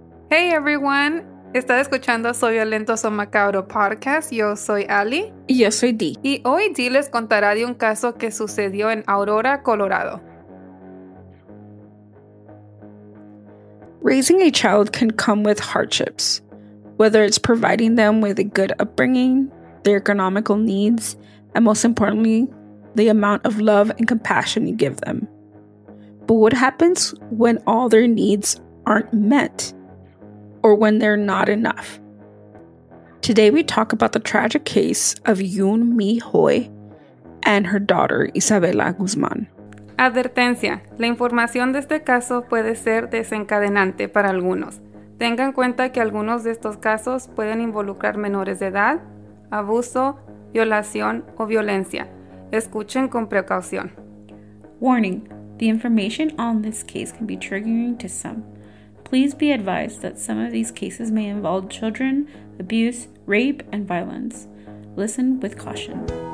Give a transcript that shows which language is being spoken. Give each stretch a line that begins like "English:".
English: Hey everyone,
Spanish: estás escuchando Soy Violento, Soy Macabro podcast. Yo soy Ali. Y yo soy Dee. Y hoy Dee les contará de un caso que sucedió en Aurora, Colorado.
English: Raising a child can come with hardships, whether it's providing them with a good upbringing, their economical needs, and most importantly, the amount of love and compassion you give them. But what happens when all their needs aren't met, or when they're not enough? Today we talk about the tragic case of Yoon Mi Hoi and her daughter Isabella Guzman.
Spanish: Advertencia, la información de este caso puede ser desencadenante para algunos. Tengan en cuenta que algunos de estos casos pueden involucrar menores de edad, abuso, violación o violencia. Escuchen con precaución.
English: Warning, the information on this case can be triggering to some. Please be advised that some of these cases may involve children, abuse, rape, and violence. Listen with caution.